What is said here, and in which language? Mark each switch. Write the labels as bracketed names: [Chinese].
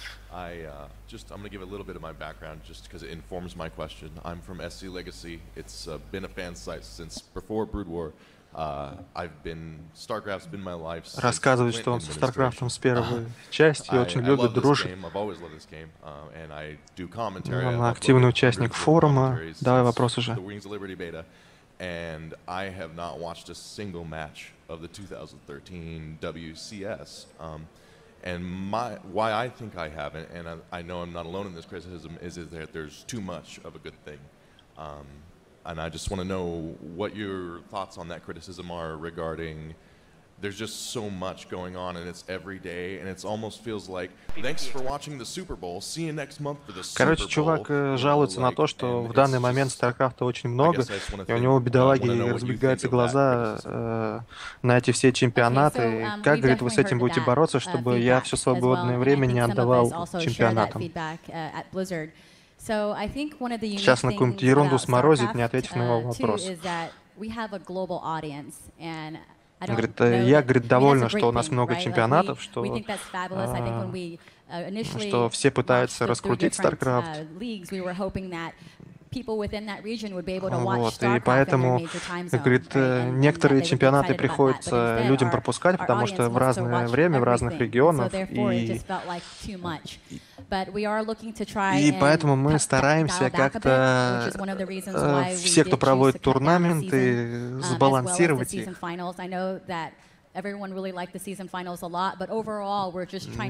[English] I'm gonna give a little bit of my background just because it informs my question. I'm from SC Legacy. It's been a fan site since before Brood War. I've been StarCraft's been my life. [Russian] Рассказывает, что он с StarCraft'ом с первой части, очень любит, дружит. [English] I've always loved this game, and I do commentary. [Russian] Активный участник форума. Давай вопрос уже. [English] The Wings of Liberty beta. and I have not watched a single match of the 2013 WCS. Why I think I haven't, and I know I'm not alone in this criticism, is that there's too much of a good thing. And I just want to know what your thoughts on that criticism are regarding there's just so much going on, and it's every day, and it almost feels like thanks for watching the Super Bowl. See you next month for the Super Bowl. [Russian] Короче, чувак жалуется на то, что в данный момент StarCraft очень много, и у него, бедолаги, разбегаются глаза на эти все чемпионаты. Как, говорит, вы с этим будете бороться, чтобы я все свободное время не отдавал чемпионатам? Сейчас на какую-нибудь ерунду сморозит, не ответив на его вопрос. Он говорит, я, говорит, довольна, что у нас много чемпионатов, что все пытаются раскрутить StarCraft. И поэтому, говорит, некоторые чемпионаты приходится людям пропускать, потому что в разное время, в разных регионах. И поэтому мы стараемся как-то все, кто проводит турнаменты, сбалансировать их. [English] Everyone really liked the season finals a lot, but overall we're just trying